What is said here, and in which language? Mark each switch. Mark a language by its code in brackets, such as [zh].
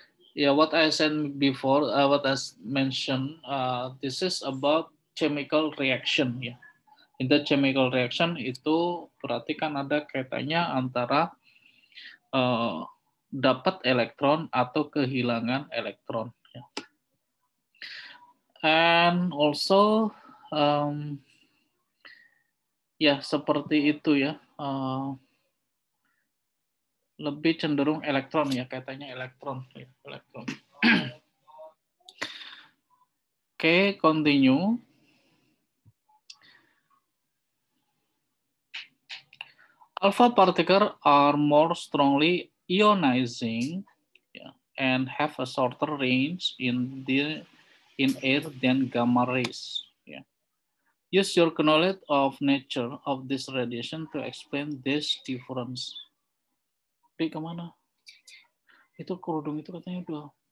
[en] Yeah, what I said before, what I mentioned, this is about chemical reaction, ya. Yeah. In the chemical reaction [id] itu berarti kan ada kaitannya antara dapat elektron atau kehilangan elektron. [en] And also, [id] ya seperti itu ya, lebih cenderung elektron ya, kaitannya elektron, ya, elektron. [en] Okay, continue. Alpha particles are more strongly ionizing, ya, and have a shorter range in air than gamma rays. Yeah. Use your knowledge of nature of this radiation to explain this difference. [id] Pi, kemana? Itu kerudung itu katanya dua.